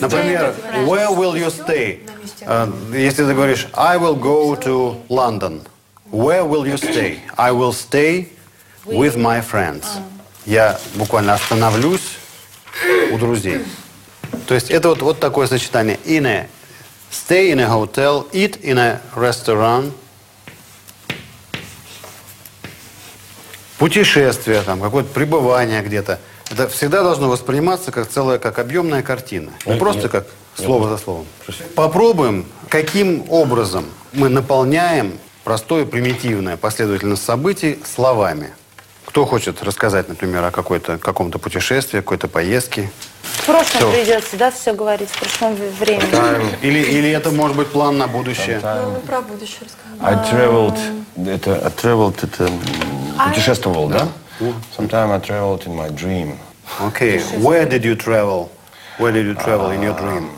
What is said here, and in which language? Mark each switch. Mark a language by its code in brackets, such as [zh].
[ru] Например, [en] where will you stay? [ru] Если ты говоришь, [en] I will go to London. Where will you stay? I will stay with my friends. [ru] Я буквально остановлюсь у друзей. То есть это вот такое сочетание. [en] In a, stay in a hotel, eat in a restaurant. [ru] Путешествие, там, какое-то пребывание где-то. Это всегда должно восприниматься как целая, как объемная картина. Не просто как слово за словом. Попробуем, каким образом мы наполняем простое, примитивное последовательность событий словами. Кто хочет рассказать, например, о каком-то путешествии, какой-то поездке? В прошлом придется, да, все говорить, в прошлом времени. Или это может быть план на будущее? Ну, про будущее расскажем. [en] I traveled, [ru] путешествовал, да? [en] Sometime I traveled in my dream. Okay, where did you travel? Where did you travel in your dream?